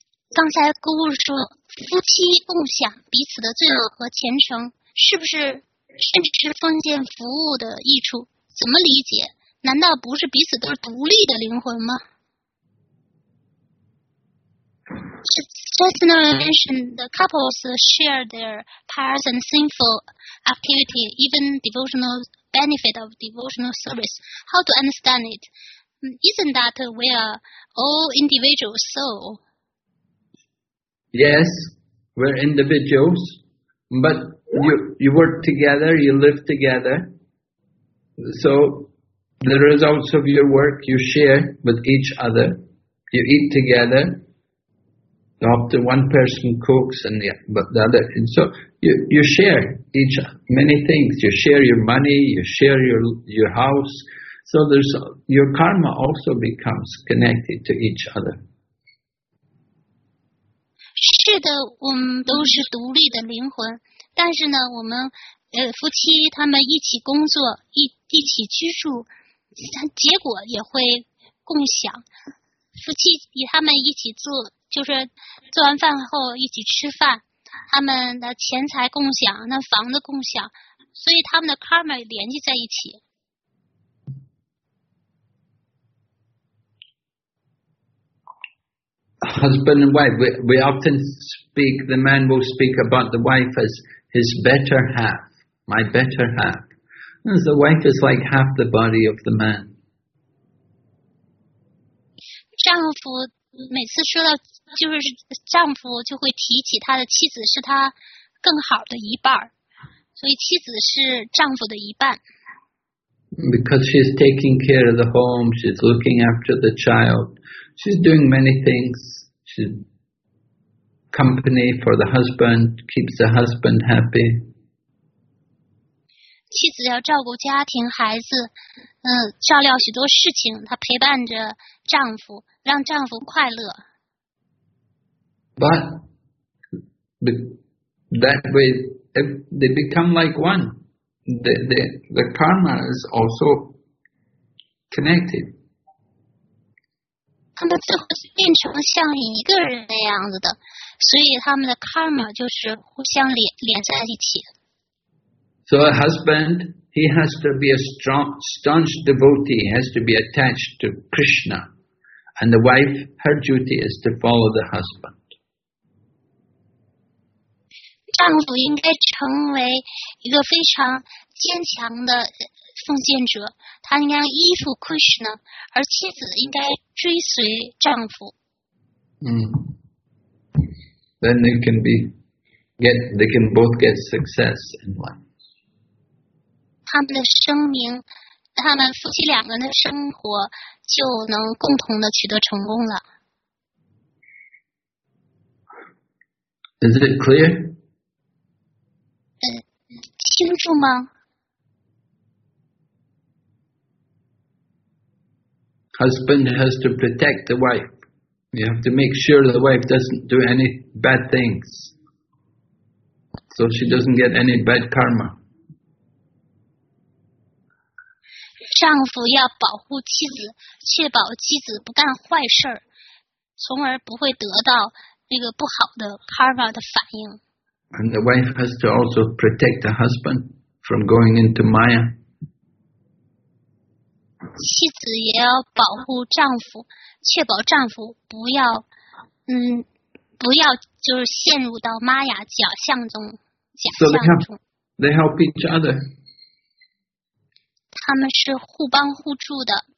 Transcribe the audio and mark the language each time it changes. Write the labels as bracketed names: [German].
[Chinese] 刚才姑姑说，夫妻共享彼此的罪恶和前程，是不是甚至是奉献服务的益处？怎么理解？难道不是彼此都是独立的灵魂吗？ [English] Just now mentioned the couples share their past and sinful activity, even devotional benefit of devotional service. How to understand it? Isn't that we are all individual soul? Yes, we're individuals, but you work together, you live together. So the results of your work you share with each other. You eat together. Often one person cooks and the other. And so you share each many things. You share your money, you share your house. So there's your karma also becomes connected to each other. [Chinese] 是的，我们都是独立的灵魂，但是呢，我们夫妻他们一起工作，一起居住，结果也会共享。夫妻与他们一起做，就是做完饭后一起吃饭，他们的钱财共享，那房子共享，所以他们的 karma 连接在一起。 [English] Husband and wife, we often speak, the man will speak about the wife as his better half, my better half. And the wife is like half the body of the man. [Chinese] 丈夫每次说到就是丈夫就会提起他的妻子是他更好的一半，所以妻子是丈夫的一半。 [English] Because she's taking care of the home, she's looking after the child. She's doing many things. She's company for the husband, keeps the husband happy. [Chinese] 妻子要照顾家庭、孩子，照料许多事情。她陪伴着丈夫，让丈夫快乐。 [English] But that way, if they become like one, the karma is also connected. [Chinese] 他们最后变成像一个人那样子的，所以他们的 karma 就是互相 连在一起。 [English] So a husband, he has to be a staunch devotee, he has to be attached to Krishna. And the wife, her duty is to follow the husband. [Chinese] 丈夫应该成为一个非常坚强的奉献者，他应该依附 Krishna， 而妻子应该追随丈夫。 [English] 嗯、Then they can be get, they can both get success in life. [Chinese] 他们的生命，他们夫妻两个人的生活就能共同的取得成功了。 [English] Is it clear? [Chinese] 清楚吗？ [English] Husband has to protect the wife. You have to make sure the wife doesn't do any bad things. So she doesn't get any bad karma. [Chinese] 丈夫要保护妻子，确保妻子不干坏事，从而不会得到那个不好的 karma 的反应。 [English] And the wife has to also protect the husband from going into Maya. [Chinese] 妻子也要保护丈夫，确保丈夫不要，不要就是陷入到玛雅假象中，假象中。 [English] So they help each other. [Chinese] 他们是互帮互助的。